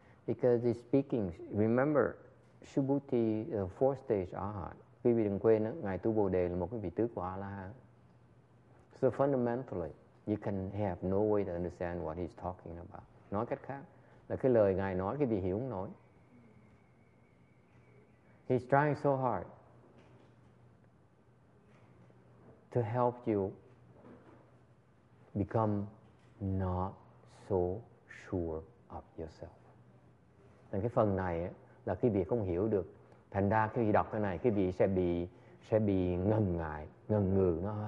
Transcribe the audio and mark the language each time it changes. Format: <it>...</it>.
<en>Because he's speaking, remember, Subhuti, four stage Arhat.</en> <vi>Quý vị đừng quên, Ngài Tu Bồ Đề là một cái vị tước của A-la-hán.</vi> <en>So fundamentally, you can have no way to understand what he's talking about.</en> <vi>Nói cách khác, là cái lời Ngài nói, quý vị hiểu không nổi.</vi> <en>He's trying so hard to help you become not so sure of yourself.</en> <vi>Nên cái phần này là quý vị không hiểu được. Thành ra khi đọc cái này, quý vị sẽ bị ngần ngại, ngần ngừ.</vi>